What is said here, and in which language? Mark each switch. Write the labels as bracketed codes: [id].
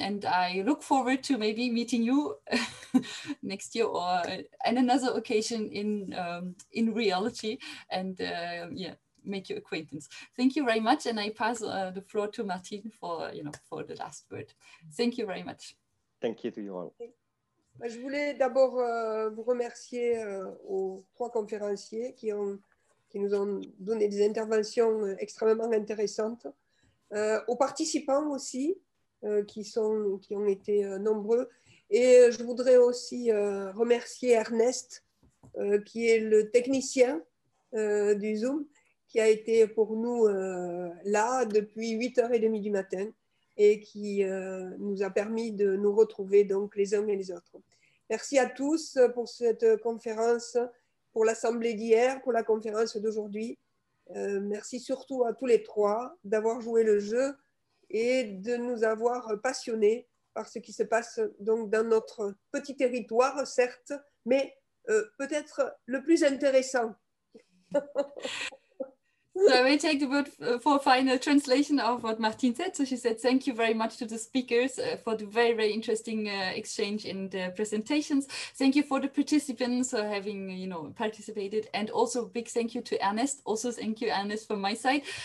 [en] And I look forward to maybe meeting you next year or at another occasion in reality. And yeah, make your acquaintance. Thank you very much. And I pass the floor to Martin for, you know, for the last word. Thank you very much. Thank you to you all. [fr] Je voulais d'abord vous remercier aux trois conférenciers qui nous ont donné des interventions extrêmement intéressantes. Aux participants aussi, qui ont été nombreux. Et je voudrais aussi remercier Ernest, qui est le technicien du Zoom, qui a été pour nous là depuis 8h30 du matin et qui nous a permis de nous retrouver donc les uns et les autres. Merci à tous pour cette conférence, pour l'assemblée d'hier, pour la conférence d'aujourd'hui. Merci surtout à tous les trois d'avoir joué le jeu et de nous avoir passionnés par ce qui se passe donc dans notre petit territoire, certes, mais peut-être le plus intéressant. [en] So I will take the word for final translation of what Martine said. So she said, thank you very much to the speakers for the very, very interesting exchange in the presentations. Thank you for the participants for having, you know, participated. And also big thank you to Ernest. Also thank you, Ernest, from my side.